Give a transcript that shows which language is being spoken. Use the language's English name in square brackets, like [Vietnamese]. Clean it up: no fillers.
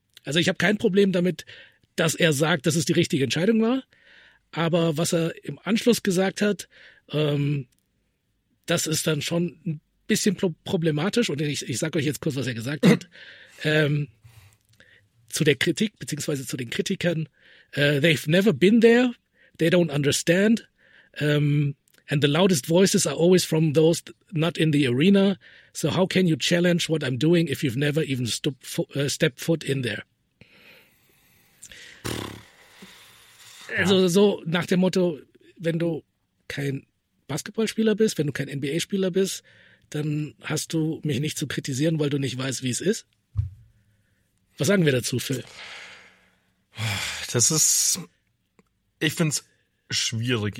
[German] Also ich habe kein Problem damit, dass er sagt, dass es die richtige Entscheidung war. Aber was er im Anschluss gesagt hat, das ist dann schon ein bisschen problematisch. Und ich sage euch jetzt kurz, was er gesagt hat. Zu der Kritik, beziehungsweise zu den Kritikern. [English] They've never been there. They don't understand. And the loudest voices are always from those not in the arena. So how can you challenge what I'm doing if you've never even stepped foot in there? [German] Ja. Also so nach dem Motto, wenn du kein Basketballspieler bist, wenn du kein NBA-Spieler bist, dann hast du mich nicht zu kritisieren, weil du nicht weißt, wie es ist. Was sagen wir dazu, Phil? Das ist, ich finde es schwierig.